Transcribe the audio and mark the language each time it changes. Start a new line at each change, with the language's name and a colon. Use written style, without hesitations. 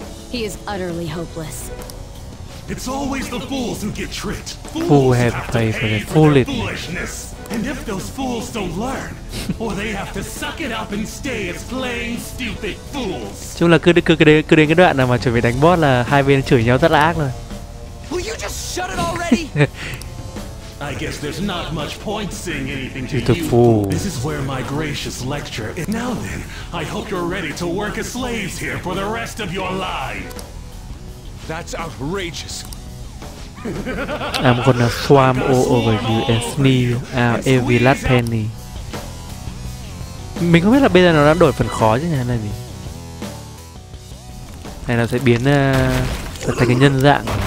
English: He is utterly hopeless. It's always the fools who get tricked. Fools have to pay for their foolishness. And if those fools don't learn, or they have to suck it up and stay as plain stupid fools.
Vietnamese: Chung là cứ đến cái đoạn nào mà chuẩn bị đánh boss là hai bên chửi nhau rất là ác rồi.
English: Will you just shut it already? I guess there's not much point saying anything to you're you. The fool. This is where my gracious lecture is. Now then, I hope you're ready to work as slaves here for the rest of your life. That's outrageous. I'm gonna swarm all over you and sneeze out every last penny.
Vietnamese: Mình không biết là bây giờ nó đã đổi phần khó chứ nhỉ, hay là gì? Hay là sẽ biến thành cái nhân dạng.